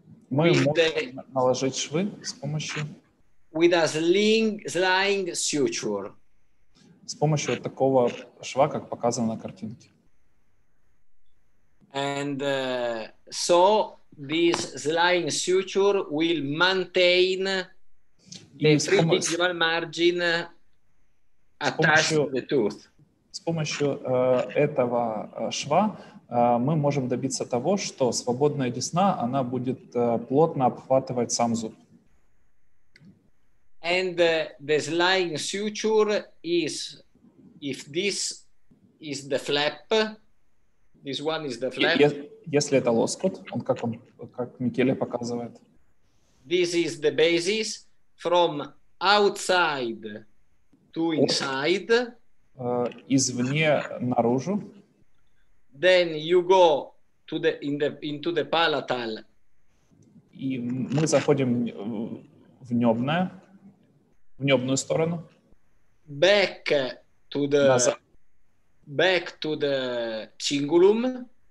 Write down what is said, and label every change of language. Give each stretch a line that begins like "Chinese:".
Russian: Мы можем наложить швы с помощью.
English: With a sling suture.
Russian: С помощью вот такого шва, как показано на картинке.
English: And so this sling suture will maintain the three-digital margin attached to the tooth.
Russian: С помощью этого шва мы можем добиться того, что свободная десна, она будет плотно обхватывать сам зуб.
English: And the slide suture is, if this is the flap, this one is the flap.
Russian: Если это лоскут, он как он, как Микеле показывает.
English: This is the basis from outside to inside.
Russian: Извне наружу.
English: Then you go to the in the into the palatal.
Russian: И мы заходим в нёбное, в нёбную сторону.
English: Back to the
Russian: назад.
English: Back to the cingulum.